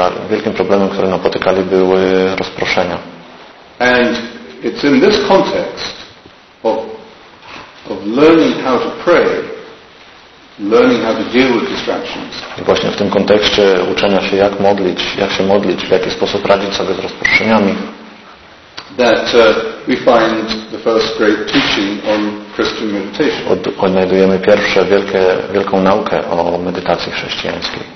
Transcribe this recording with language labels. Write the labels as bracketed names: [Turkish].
[Polish] Wielkim problemem, który napotykali, były rozproszenia. [English] And it's in this context of learning how to pray, learning how to deal with distractions. [Polish] I właśnie w tym kontekście uczenia się jak się modlić, w jaki sposób radzić sobie z rozproszeniami. [English] That we find the first great teaching on Christian meditation. [Polish] Odnajdujemy pierwsze wielką naukę o medytacji chrześcijańskiej.